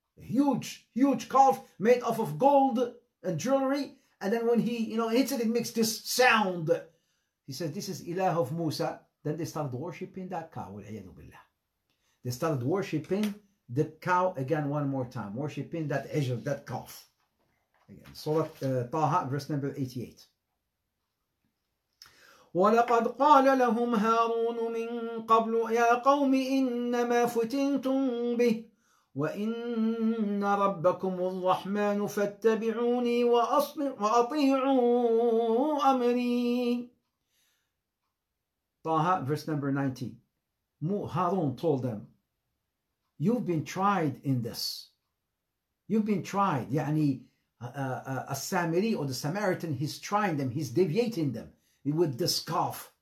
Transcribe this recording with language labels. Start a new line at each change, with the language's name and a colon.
English: Huge calf made off of gold and jewelry, and then when he, you know, hits it, it makes this sound. He says, this is ilah of Musa. Then they started worshipping that cow. They started worshipping the cow again one more time, worshipping that ijl, that calf. Again, Surah Taha, verse number 88.
Arabic: ولقد قال لهم هارون من قبل يا قوم إنما فتنتم به وإن ربكم الرحمن فاتبعوني وأطيعوا أمري.
English: طه verse number 19. هارون told them, you've been tried in this. You've been tried. يعني a Samari or the Samaritan, he's trying them, he's deviating them with the scoff.